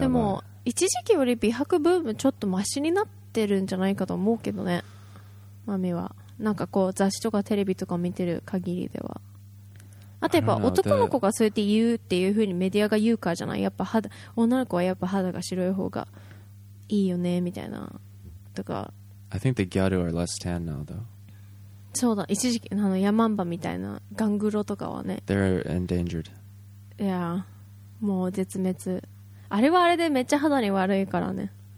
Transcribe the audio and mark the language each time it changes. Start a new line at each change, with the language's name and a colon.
Japanese: でも一時期より美白ブームちょっとマシになってるんじゃないかと思うけどね。マミはなんかこう雑誌とかテレビとか見てる限りでは、あとやっぱ男の子がそうやって言うっていう風にメディアが言うからじゃない、やっぱ肌、女の子はやっぱ肌が白い方がいいよねみたいなとか。
English: I think the ghetto are less tan now though。
Japanese: そうだ、一時期あのヤマンバみたいなガングロとかはね、
English: They're endangered。
Japanese: いやもう絶滅、あれはあれでめっちゃ肌に悪いからね。